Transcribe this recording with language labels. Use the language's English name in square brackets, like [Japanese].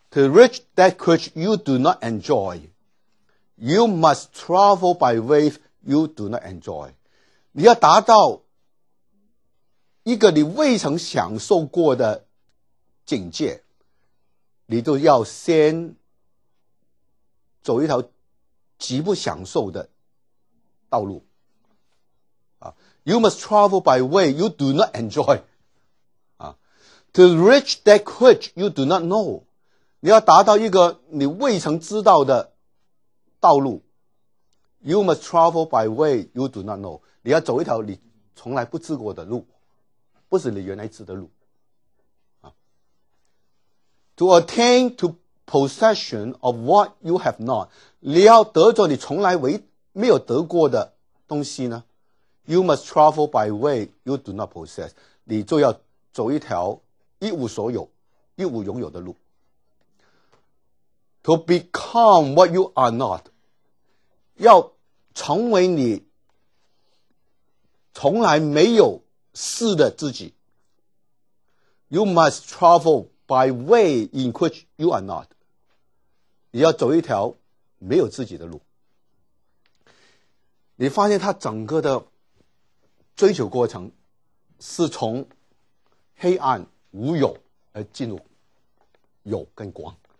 [English] To reach that which you do not enjoy, you must travel by wayYou do not enjoy. [Chinese] 你要达到一个你未曾享受过的境界，你就要先走一条极不享受的道路。 [English] You must travel by way you do not enjoy. To reach that which you do not know. [Chinese] 你要达到一个你未曾知道的道路。 [English] You must travel by way you do not know. [Chinese] 你要走一条你从来不知过的路，不是你原来知的路。 [English] To attain to possession of what you have not. [Chinese] 你要得着你从来没有得过的东西呢？ [English] You must travel by way you do not possess. [Chinese] 你就要走一条一无所有，一无拥有的路。 [English] To become what you are not. [Chinese] 要成为你从来没有试的自己。 [English] You must travel by way in which you are not. [Chinese] 你要走一条没有自己的路。你发现他整个的追求过程是从黑暗无有而进入有跟光。